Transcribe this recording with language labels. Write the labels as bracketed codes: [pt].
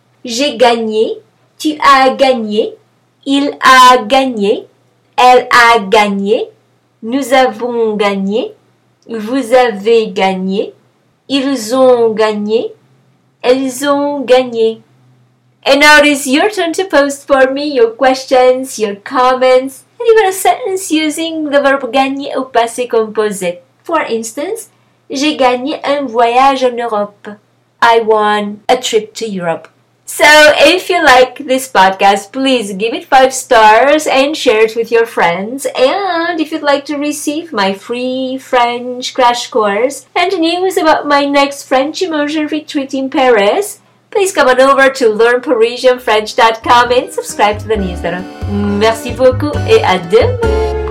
[fr] J'ai gagné, tu as gagné, il a gagné, elle a gagné, nous avons gagné, vous avez gagné, ils ont gagné, elles ont gagné. [en] And now it is your turn to post for me your questions, your comments, and even a sentence using the verb gagner [fr] au passé composé. [en] For instance, [fr] j'ai gagné un voyage en Europe. [en] I won a trip to Europe. So, if you like this podcast, please give it 5 stars and share it with your friends. And if you'd like to receive my free French crash course and news about my next French immersion retreat in Paris, please come on over to learnparisianfrench.com and subscribe to the newsletter. [fr] Merci beaucoup et à demain!